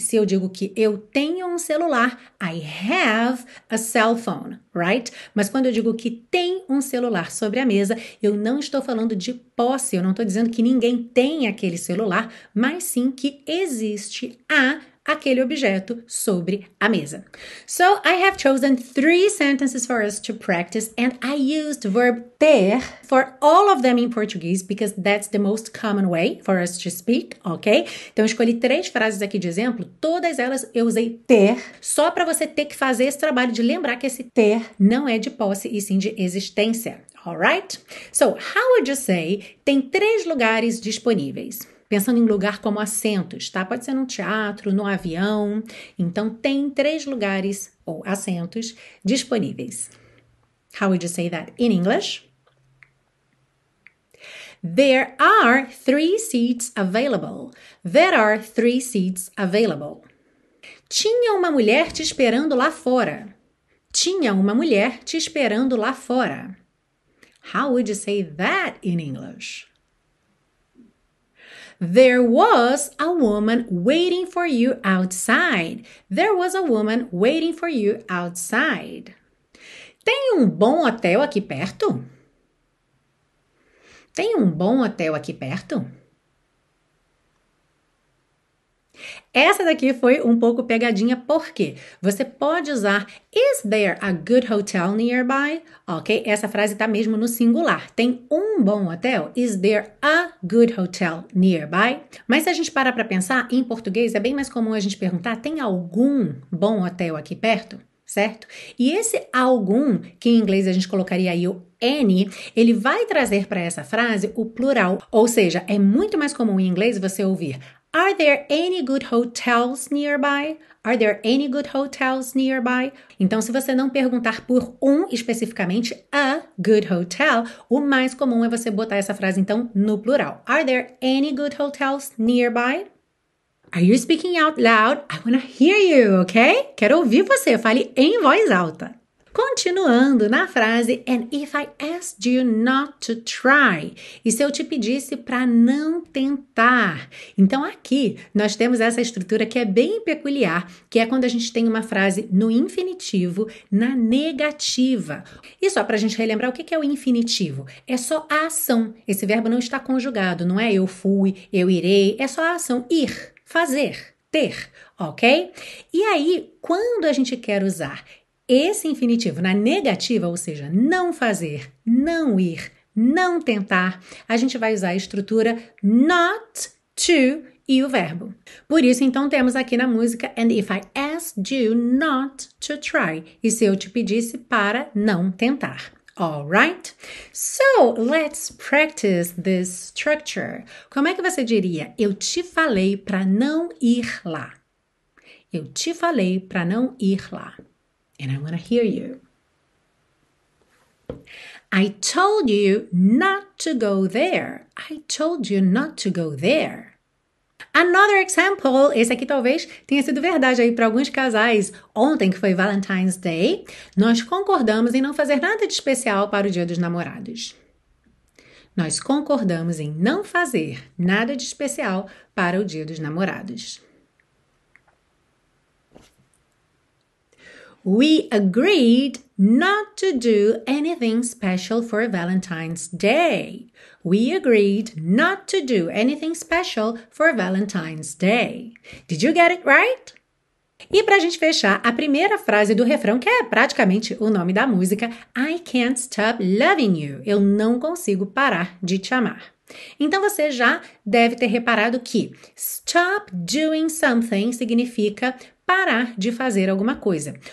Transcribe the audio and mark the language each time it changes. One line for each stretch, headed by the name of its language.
Portuguese: Se eu digo que eu tenho um celular,
English: I have a cell phone, right?
Portuguese: Mas quando eu digo que tem um celular sobre a mesa, eu não estou falando de posse, eu não estou dizendo que ninguém tem aquele celular, mas sim que existe a aquele objeto sobre a mesa.
English: So, I have chosen 3 sentences for us to practice, and I used verb ter for all of them in Portuguese, because that's the most common way for us to speak, ok?
Portuguese: Então, eu escolhi 3 frases aqui de exemplo, todas elas eu usei ter, só para você ter que fazer esse trabalho de lembrar que esse ter não é de posse e sim de existência, alright?
English: So, how would you say
Portuguese: tem 3 lugares disponíveis? Pensando em lugar como assentos, tá? Pode ser num teatro, no avião. Então, tem 3 lugares ou assentos disponíveis.
English: How would you say that in English? There are 3 seats available. There are 3 seats available.
Portuguese: Tinha uma mulher te esperando lá fora. Tinha uma mulher te esperando lá fora.
English: How would you say that in English? There was a woman waiting for you outside. There was a woman waiting for you outside.
Portuguese: Tem um bom hotel aqui perto? Tem um bom hotel aqui perto? Essa daqui foi um pouco pegadinha, porque você pode usar
English: Is there a good hotel nearby?
Portuguese: Ok? Essa frase está mesmo no singular. Tem um bom hotel?
English: Is there a good hotel nearby?
Portuguese: Mas se a gente parar para pensar, em português é bem mais comum a gente perguntar tem algum bom hotel aqui perto? Certo? E esse algum, que em inglês a gente colocaria aí o any, ele vai trazer para essa frase o plural. Ou seja, é muito mais comum em inglês você ouvir
English: Are there any good hotels nearby? Are there any good hotels nearby?
Portuguese: Então, se você não perguntar por um especificamente,
English: a good hotel,
Portuguese: o mais comum é você botar essa frase, então, no plural.
English: Are there any good hotels nearby? Are you speaking out loud? I want to hear you,
Portuguese: ok? Quero ouvir você. Fale em voz alta. Continuando na frase,
English: and if I asked you not to try,
Portuguese: e se eu te pedisse para não tentar? Então aqui nós temos essa estrutura que é bem peculiar, que é quando a gente tem uma frase no infinitivo, na negativa. E só para a gente relembrar o que é o infinitivo, é só a ação, esse verbo não está conjugado, não é eu fui, eu irei, é só a ação, ir, fazer, ter, ok? E aí, quando a gente quer usar esse infinitivo na negativa, ou seja, não fazer, não ir, não tentar, a gente vai usar a estrutura not to e o verbo. Por isso, então, temos aqui na música,
English: and if I asked you not to try,
Portuguese: e se eu te pedisse para não tentar.
English: Alright? So, let's practice this structure.
Portuguese: Como é que você diria, eu te falei para não ir lá? Eu te falei para não ir lá.
English: And I want to hear you. I told you not to go there. I told you not to go there. Another example.
Portuguese: Esse aqui talvez tenha sido verdade aí para alguns casais. Ontem, que foi Valentine's Day, nós concordamos em não fazer nada de especial para o Dia dos Namorados. Nós concordamos em não fazer nada de especial para o Dia dos Namorados.
English: We agreed not to do anything special for Valentine's Day. We agreed not to do anything special for Valentine's Day. Did you get it right?
Portuguese: E pra gente fechar, a primeira frase do refrão, que é praticamente o nome da música,
English: I can't stop loving you.
Portuguese: Eu não consigo parar de te amar. Então, você já deve ter reparado que stop doing something significa parar de fazer alguma coisa.